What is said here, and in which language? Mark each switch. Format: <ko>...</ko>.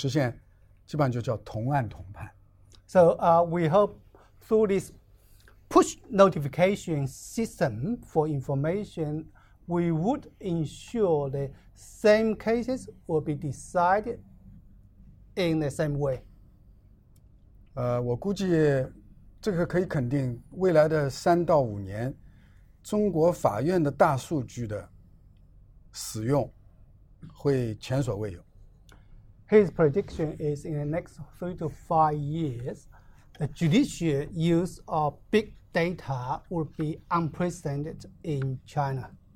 <zh>所以我们希望通过这个推送制度能够实现基本上就叫同案同判。</zh> <en>So we hope through this push notification system for information, we would ensure the same cases will be decided in the same way.</en> <zh>我估计这个可以肯定未来的三到五年中国法院的大数据的使用会前所未有。</zh> <en>His prediction is in the next 3 to 5 years, the judicial use of big data will be unprecedented in China.</en>